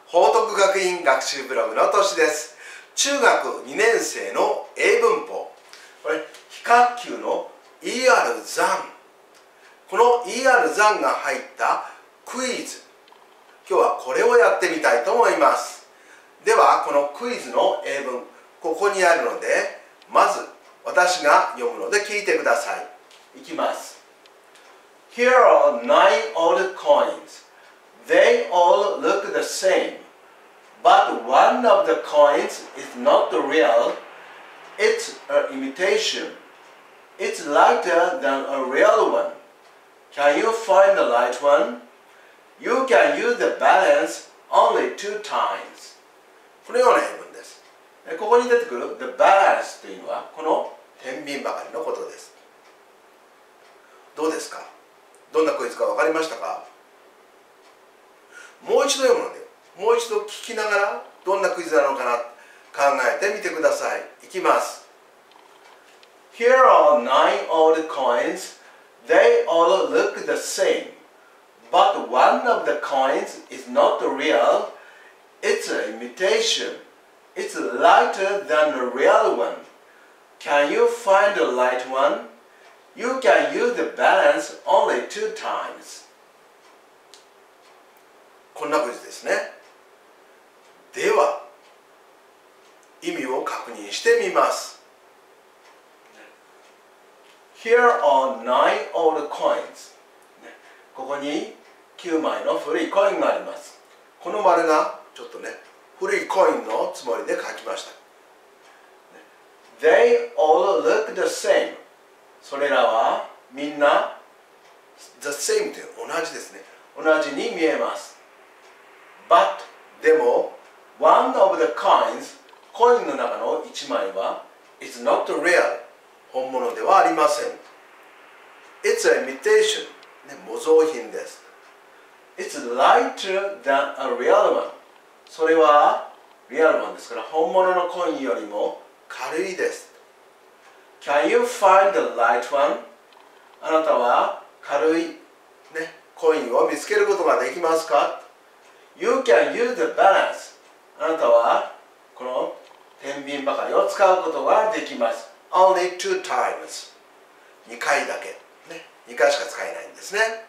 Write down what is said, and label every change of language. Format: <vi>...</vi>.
<ja>報徳学院学習ブログのとしです。中学2年生の英文法、これ非学級の ER 残、この ER 残が入ったクイズ、今日はこれをやってみたいと思います。ではこのクイズの英文、ここにあるので、まず私が読むので聞いてください。いきます。</ja> <en>Here are nine old coins. They all look the same, but one of the coins is not real. It's an imitation. It's lighter than a real one. Can you find the light one? You can use the balance only two times.</en> <ja>このような英文です。で、ここに出てくる the balance というのはこの天秤ばかりのことです。どうですか？どんなクイズか分かりましたか？もう一度読むので、もう一度聞きながらどんなクイズなのかな考えてみてください。いきます。</ja> <en>Here are nine old coins. They all look the same. But one of the coins is not real. It's an imitation. It's lighter than the real one. Can you find the light one? You can use the balance only two times.</en> <ja>こんなクイズですね。では、意味を確認してみます。</ja> <en>Here are nine old coins.</en> <ja>ここに9枚の古いコインがあります。この丸がちょっとね、古いコインのつもりで書きました。</ja> <en>They all look the same.</en> <ja>それらはみんな the same という同じですね。同じに見えます。</ja> <en>But</en> <ja>でも</ja> <en>one of the coins,</en> <ja>コインの中の1枚は</ja> <en>is not real.</en> <ja>本物ではありません。</ja> <en>It's an imitation.、</en> <ja>ね、模造品です。</ja> <en>It's lighter than a real one.</en> <ja>それはリアルワンですから本物のコインよりも軽いです。</ja> <en>Can you find the light one?</en> <ja>あなたは軽い、ね、コインを見つけることができますか?</ja> <en>You can use the balance.</en> <ja>あなたはこの天秤ばかりを使うことができます。</ja> <en>Only two times.</en> <ja>2回だけ、ね。 2回しか使えないんですね。</ja>